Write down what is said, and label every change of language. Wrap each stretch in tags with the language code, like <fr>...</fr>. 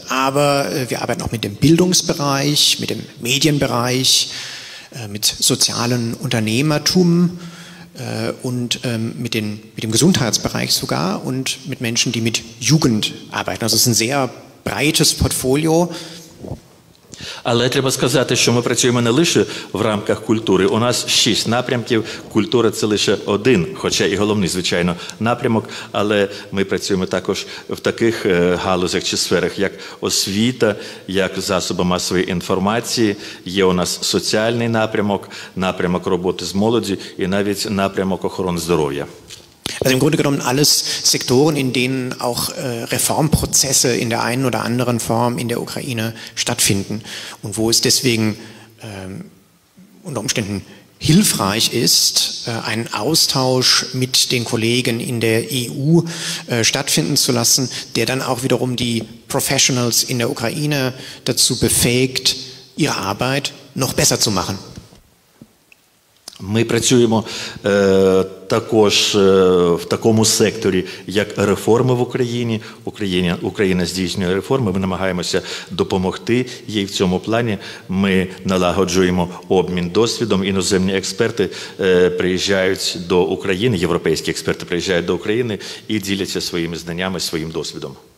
<de>Aber wir arbeiten auch mit dem Bildungsbereich, mit dem Medienbereich, mit sozialem Unternehmertum und mit dem Gesundheitsbereich sogar und mit Menschen, die mit Jugend arbeiten. Also es ist ein sehr breites Portfolio.</de> <uk>Але треба сказати, що ми працюємо не лише в рамках культури. У нас 6 напрямків, культура – це лише один, хоча і головний, звичайно, напрямок. Але ми працюємо також в таких галузях чи сферах, як освіта, як засоби масової інформації. Є у нас соціальний напрямок, напрямок роботи з молоді і навіть напрямок охорони здоров'я.</uk> <de>Also im Grunde genommen alles Sektoren, in denen auch Reformprozesse in der einen oder anderen Form in der Ukraine stattfinden und wo es deswegen unter Umständen hilfreich ist, einen Austausch mit den Kollegen in der EU stattfinden zu lassen, der dann auch wiederum die Professionals in der Ukraine dazu befähigt, ihre Arbeit noch besser zu machen.</de> <uk>Ми працюємо також в такому секторі, як реформи в Україні. Україна здійснює реформи, ми намагаємося допомогти їй в цьому плані. Ми налагоджуємо обмін досвідом, іноземні експерти приїжджають до України, європейські експерти приїжджають до України і діляться своїми знаннями, своїм досвідом.</uk>